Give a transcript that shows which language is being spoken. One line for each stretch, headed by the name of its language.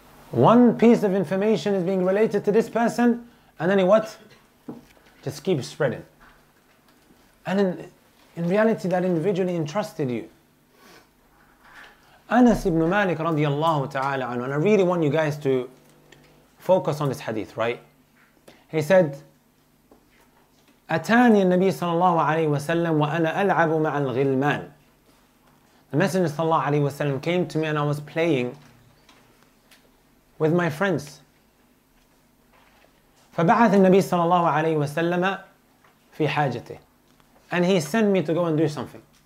English: One piece of information is being related to this person. And then he what? Just keeps spreading. And in reality, that individually entrusted you. Anas ibn Malik radiallahu ta'ala anhu, and I really want you guys to focus on this hadith, right? He said,
Arabic: أتاني النبي صلى الله عليه وسلم وأنا ألعب مع الغلمان.
English: The Messenger صلى الله عليه وسلم came to me and I was playing with my friends.
Arabic: فبعث النبي صلى الله عليه وسلم في حاجته.
English: And he sent me to go and do something.